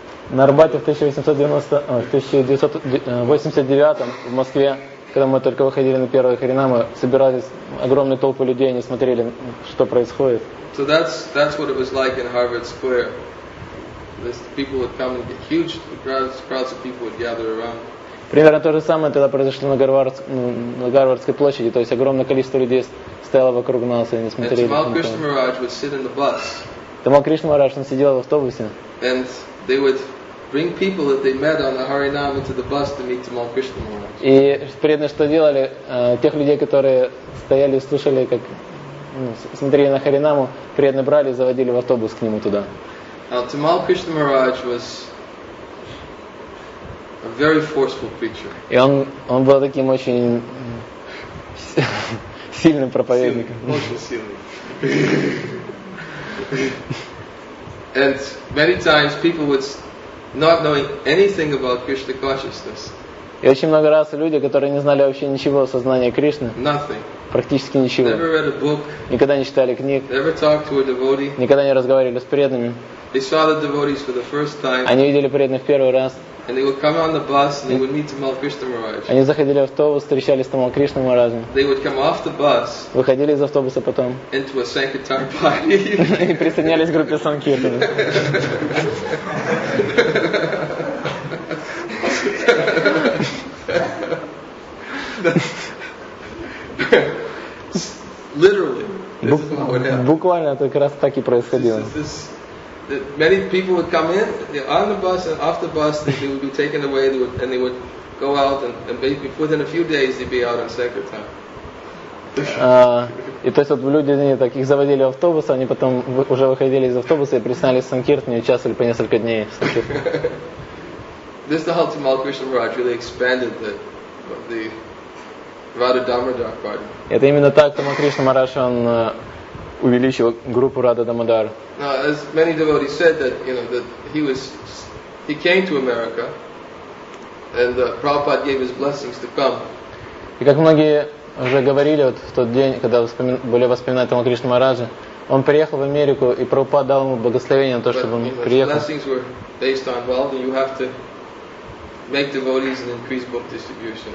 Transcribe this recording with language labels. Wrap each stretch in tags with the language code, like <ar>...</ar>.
<ru>На Арбате в 1989 в Москве, когда мы только выходили на первые харинамы, собирались огромные толпы людей, они смотрели, что происходит.</ru> <en>So that's what it was like in Harvard Square. People would come and get huge crowds of people would gather around.</en> <ru>Примерно то же самое тогда произошло на Гарвардской площади, то есть огромное количество людей стояло вокруг нас, и они смотрели.</ru> <en>Тамал Кришна Махарадж would sit in the bus.</en> <ru>Тамал Кришна Махарадж, он сидел в автобусе.</ru> <en>And they would bring people that they met on the Харинам into the bus to meet Тамал Кришна</en> <ru>Махарадж. И преданные что делали? Тех людей, которые стояли и слушали, как смотрели на Харинаму, преданные брали и заводили в автобус к нему туда.</ru> <en>Тамал Кришна Махарадж was a very forceful preacher.</en> <ru>И он был таким очень сильным проповедником. Очень сильный.</ru> <en>And many times people would not knowing anything about Krishna consciousness.</en> <ru>И очень много раз люди, которые не знали вообще ничего о сознании Кришны.</ru> <en>Nothing.</en> <ru>Практически ничего.</ru> <en>Never read a book.</en> <ru>Никогда не читали книг.</ru> <en>Never talked to a devotee.</en> <ru>Никогда не разговаривали с преданными.</ru> <en>They saw the devotees for the first time.</en> <ru>Они видели преданных в первый раз.</ru> <en>And they would come on the bus and they would meet Tamal Krishna Maharaj.</en> <ru>Они заходили в автобус, встречались с Тамал Кришна Махарадж.</ru> <en>They would come off the bus.</en> <ru>Выходили из автобуса потом.</ru> <en>Into a sankirtan party.</en> <ru>И присоединялись к группе санкиртан.</ru> <en>Literally.</en> <ru>Буквально это как раз так и происходило.</ru> <en>Many people would come in on the bus and off the bus. They would be taken away, and they would go out, and maybe within a few days they'd be out on sankirtan.</en> <ru>И то есть вот люди, они так, их заводили в автобус, они потом уже выходили из автобуса и приснялись в Санкиртане час или по несколько дней в Санкиртане. Это именно так Тама Кришна Мараш он увеличил группу Рада Дамодар.</ru> <en>As many devotees said that, you know, that he came to America and Prabhupada gave his blessings to come.</en> <ru>И как многие уже говорили, вот в тот день, когда были воспоминать Тама Кришна Мараджа, он приехал в Америку, и Прабхупада дал ему благословение на то, чтобы он приехал.</ru> <en>But his blessings were based on, well, you have to make devotees and increase book distribution.</en>